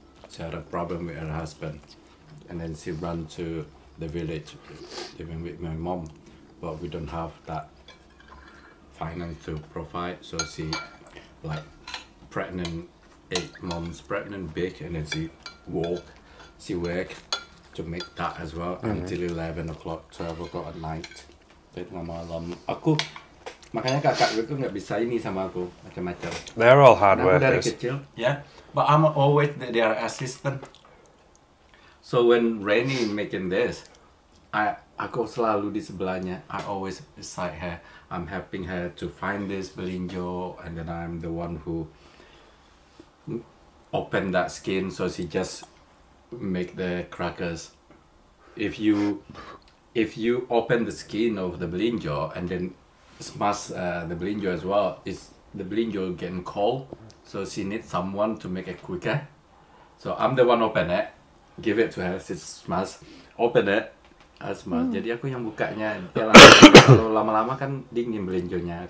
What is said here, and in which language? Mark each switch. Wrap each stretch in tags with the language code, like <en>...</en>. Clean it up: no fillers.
<en>She had a problem with her husband. And then she ran to the village, even with my mom, but we don't have that finance to provide. So she like pregnant, 8 months pregnant, big, and then she walk, she work to make that as well, mm-hmm. until 11 o'clock, 12 o'clock at night.</en> <id>Aku Makanya kakak gue tuh nggak bisa ini sama aku macam-macam.</id> <en>They're all hard workers.</en> <id>Dari kecil,</id> <en>yeah. But I'm always their assistant. So when Rennie making this,</en> <id>aku selalu di sebelahnya.</id> <en>I always beside her. I'm helping her to find this belinjo, and then I'm the one who open that skin so she just make the crackers. If you open the skin of the belinjo and then smash the belinjo as well, is the belinjo getting cold, so she needs someone to make it quicker. So I'm the one open it, give it to her, she smash, open it, smash. Hmm.</en> <id>Jadi aku yang bukanya, kalau lama-lama kan dingin belinjonya.</id>